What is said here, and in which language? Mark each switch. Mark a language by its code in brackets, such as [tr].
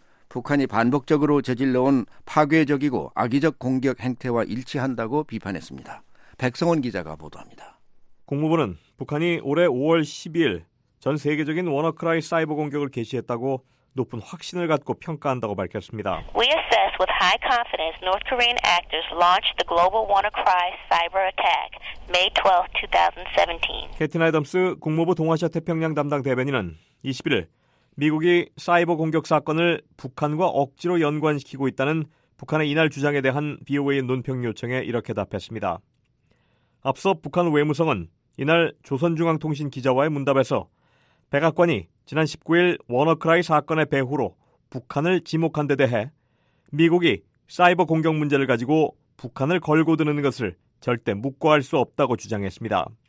[ko] 북한이 반복적으로 저질러온 파괴적이고 악의적 공격 행태와 일치한다고 비판했습니다. 백성원 기자가 보도합니다. 국무부는 북한이 올해 5월 12일 전 세계적인 워너크라이 사이버 공격을 개시했다고 높은 확신을 갖고 평가한다고 밝혔습니다. [en] We assess with high confidence North Korean actors launched the global WannaCry cyber attack May 12, 2017. [ko] 캐틴 아이덤스 국무부 동아시아 태평양 담당 대변인은 21일 미국이 사이버 공격 사건을 북한과 억지로 연관시키고 있다는 북한의 이날 주장에 대한 BOA 논평 요청에 이렇게 답했습니다. 앞서 북한 외무성은 이날 조선중앙통신 기자와의 문답에서 백악관이 지난 19일 워너크라이 사건의 배후로 북한을 지목한 데 대해 미국이 사이버 공격 문제를 가지고 북한을 걸고 드는 것을 절대 묵과할 수 없다고 주장했습니다.